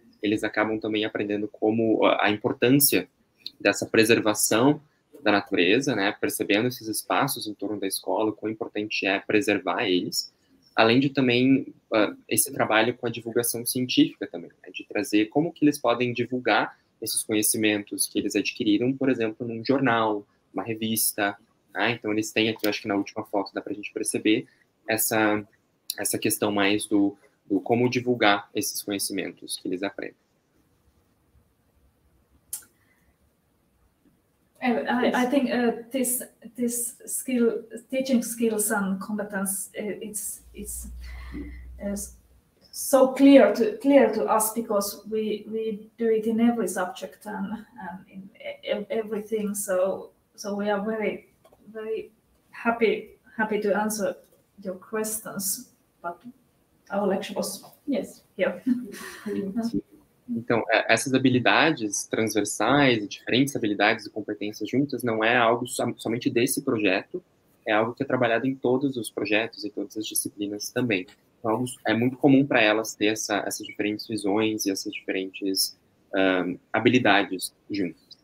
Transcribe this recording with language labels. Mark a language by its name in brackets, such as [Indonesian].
[Portuguese] Eles acabam também aprendendo como a importância dessa preservação da natureza, né, percebendo esses espaços em torno da escola, quão importante é preservar eles, além de também esse trabalho com a divulgação científica também, né, de trazer como que eles podem divulgar esses conhecimentos que eles adquiriram, por exemplo, num jornal, uma revista. Né? Então, eles têm aqui, eu acho que na última foto dá para a gente perceber essa questão mais do como divulgar esses conhecimentos que eles aprendem. [English] I think this skill, teaching skills and competence, it's so clear to us because we do it in every subject and in everything. So we are very very happy to answer your questions, but our lecture was, yes, [Portuguese] então, essas habilidades transversais, diferentes habilidades e competências juntas, não é algo somente desse projeto, é algo que é trabalhado em todos os projetos e todas as disciplinas também. Então, é muito comum para elas ter essas diferentes visões e essas diferentes habilidades juntas.